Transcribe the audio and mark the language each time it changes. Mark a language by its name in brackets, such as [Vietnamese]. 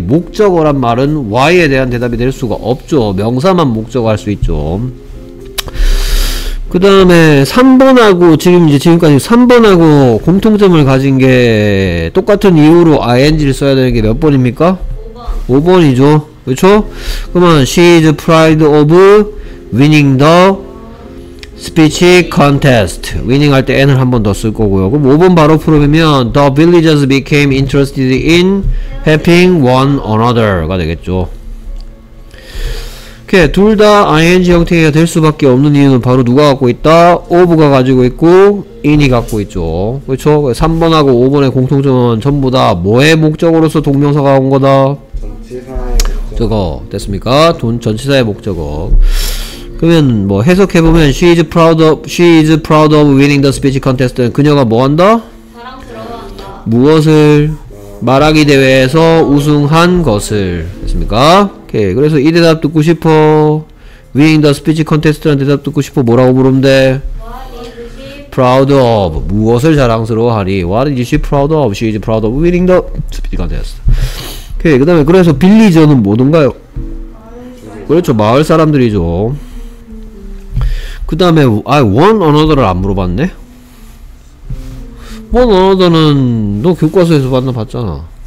[Korean] 목적어란 말은 why에 대한 대답이 될 수가 없죠. 명사만 목적어 할 수 있죠. 그 다음에 3번하고 지금 이제 지금까지 3번하고 공통점을 가진 게 똑같은 이유로 ing를 써야 되는 게 몇 번입니까? 5번이죠. 그렇죠? 그러면 [English] she is proud of winning the speech contest. [Korean] winning 할 때 n을 한 번 더 쓸 거고요. 그럼 5번 바로 풀어보면 [English] the villagers became interested in helping one another [Korean] 가 되겠죠. 이렇게 둘 다 ing 형태가 될 수밖에 없는 이유는 바로 누가 갖고 있다? of가 가지고 있고 in이 갖고 있죠. 그렇죠? 3번하고 5번의 공통점은 전부 다 뭐의 목적으로서 동명사가 온 거다? 저거 됐습니까? 돈 전치사의 목적어. 그러면 뭐 해석해 보면 [English] she is proud of winning the speech contest. [Korean] 그녀가 뭐 한다? 자랑스러워한다. 무엇을? 말하기 대회에서 우승한 것을. 됐습니까? 오케이. 그래서 이 대답 듣고 싶어. [English] winning the speech contest [Korean] 라는 대답 듣고 싶어. 뭐라고 물으면 돼? proud of 무엇을 자랑스러워하니? [English] what is she proud of? she is proud of winning the speech contest. [Korean] 오케이. 그 다음에 그래서 빌리저는 뭐든가요? 그렇죠. 마을 사람들이죠. 그 다음에 아, one another를 안 물어봤네? one another는 너 교과서에서 만나 봤잖아.